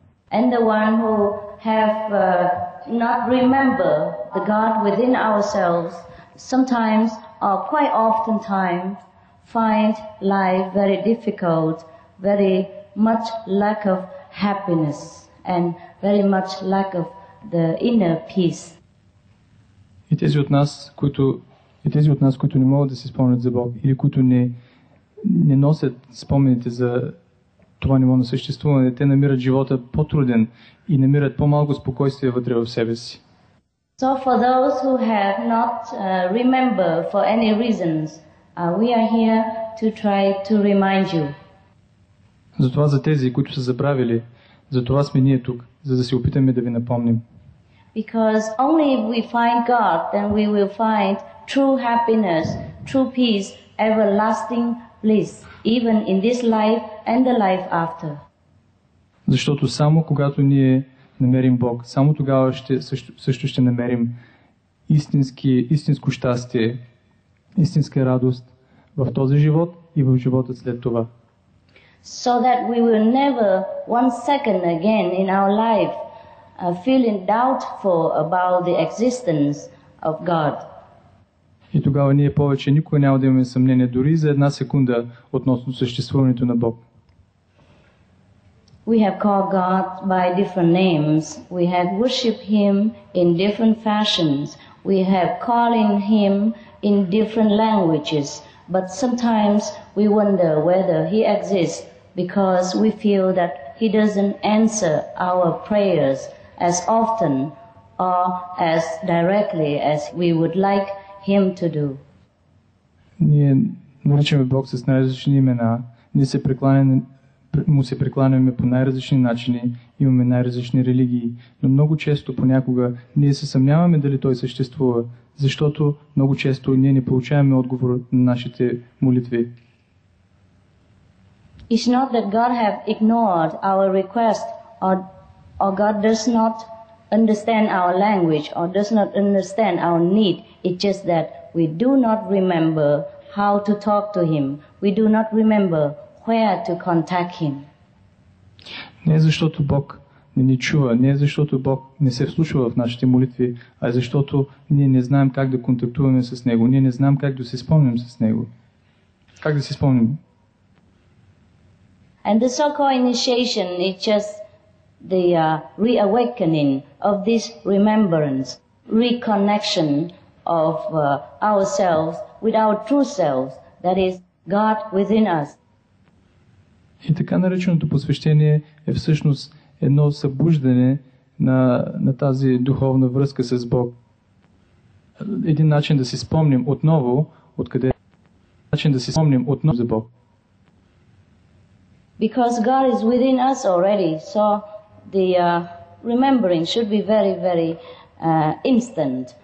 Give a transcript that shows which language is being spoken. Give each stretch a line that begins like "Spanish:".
English: And the one who have not remember the God within ourselves, sometimes or quite oftentimes find life very difficult, very much lack of happiness and very much lack of the inner peace.
Bulgarian: И тези от нас, които не могат да се спомнят за Бог или които не носят спомените за това ниво на съществуване, те намират живота по-труден и намират по-малко спокойствие вътре в себе си.
English: So for those who have not remember for any reasons, we are here to try to remind you.
Bulgarian: Затова за тези, които са забравили, затова сме ние тук, за да се опитаме да ви напомним.
English: Because only if we find God, then we will find true happiness, true peace, everlasting bliss, even in this life and the life after.
Bulgarian: Защото само когато ние намерим Бог, само тогава също ще намерим истинско щастие, истинска радост в този живот и в живота след това.
English: So that we will never one second again in our life feeling doubtful about the existence of God.
Bulgarian: И тогава ние повече никога няма да имаме съмнение дори за една секунда относно съществуването на Бог.
English: We have called God by different names. We have worshiped Him in different fashions. We have calling Him in different languages. But sometimes we wonder whether He exists because we feel that He doesn't answer our prayers as often or as directly as we would like Him to do.
Bulgarian: Ние наричаме Бог с най-различни имена. Ние се прекланяме Му се прекланяме по най-различни начини, имаме най-различни религии, но много често понякога ние се съмняваме дали Той съществува, защото много често ние не получаваме отговор на нашите молитви.
English: It's not that God have ignored our request or God does not understand our language or does not understand our need. It's just that we do not remember how to talk to Him. We do not remember where to contact Him.
Bulgarian: Не защото Бог не ни чува, не защото Бог не се вслушва в нашите молитви, а защото ние не знаем как да контактуваме с Него, ние не знаем как да се спомним с Него. Как да се спомним?
English: And the so-called initiation is just the reawakening of this remembrance, reconnection of ourselves with our true selves, that is God within us.
Bulgarian: И така нареченото посвещение е всъщност едно събуждане на тази духовна връзка с Бог. Един начин да си спомним отново откъде е. Начин да си спомним отново за Бог.
English: Because God is within us already, so the remembering should be very, very instant.